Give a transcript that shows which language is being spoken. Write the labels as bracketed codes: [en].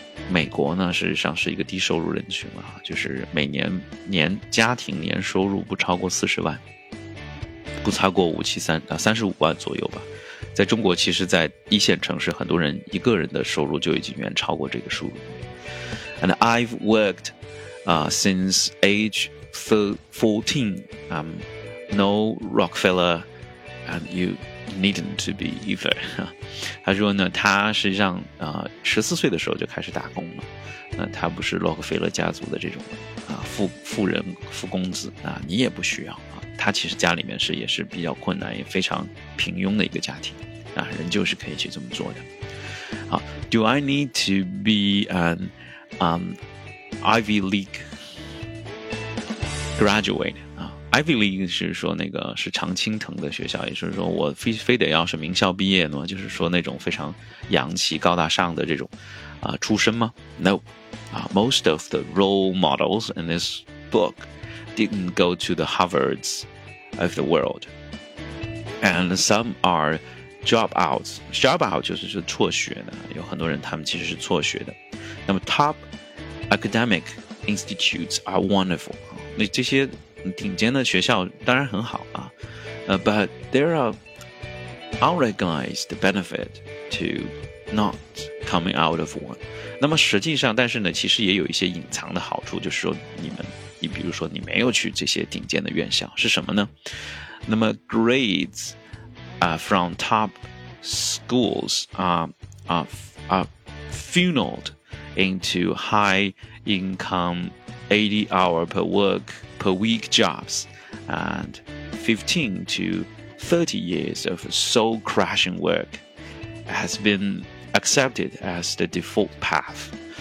[zh] 美国呢实际上是一个低收入人群了，就是每年年家庭年收入不超过40万，不超过35万左右吧。在中国其实在一线城市，很多人一个人的收入就已经远超过这个数。 [en] And I've worked since age 14, I'm no Rockefeller and you needn't to be either. [zh] 他说呢，他实际上14岁的时候就开始打工了，那他不是洛克菲勒家族的这种富人富公子啊，你也不需要啊。他其实家里面是也是比较困难，也非常平庸的一个家庭啊，人就是可以去这么做的。 [en] 好 ，Do I need to be an Ivy League graduate？ [zh] Ivy League 是说那个是常青藤的学校，也就是说我非得要是名校毕业呢，就是说那种非常洋气高大上的这种出身吗？ [en] No. Most of the role models in this book didn't go to the Harvards of the world. And some are dropouts. [zh] Dropout 就是辍学的，有很多人他们其实是辍学的。那么 [en] top academic institutes are wonderful. [zh] 那这些顶尖的学校当然很好啊， [en] but there are unrecognized benefit to not coming out of one. [zh] 那么实际上但是呢其实也有一些隐藏的好处，就是说你比如说你没有去这些顶尖的院校是什么呢？那么 [en] grades from top schools are funneled into high income 80 hour per workper week jobs and 15 to 30 years of soul crushing work has been accepted as the default path.